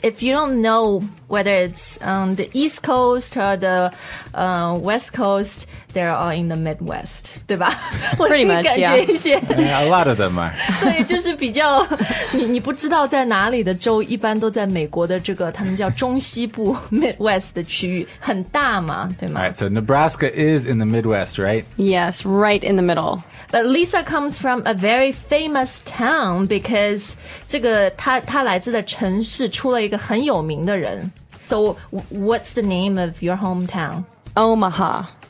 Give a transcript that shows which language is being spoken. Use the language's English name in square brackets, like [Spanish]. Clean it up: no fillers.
[English] If you don't know whether it's the East Coast or the West Coast, they're all in the Midwest, [Chinese] 对吧 [English] ?Pretty much, yeah. A lot of them are. [Chinese] 对就是比较你不知道在哪里的州一般都在美国的这个他们叫中西部 Midwest 的区域很大嘛对吗 [English] Alright, so Nebraska is in the Midwest, right? Yes, right in the middle. But Lisa comes from a very famous town because [Chinese] 这个他来自的城市出了一个很有名的人 [English] So what's the name of your hometown? Omaha.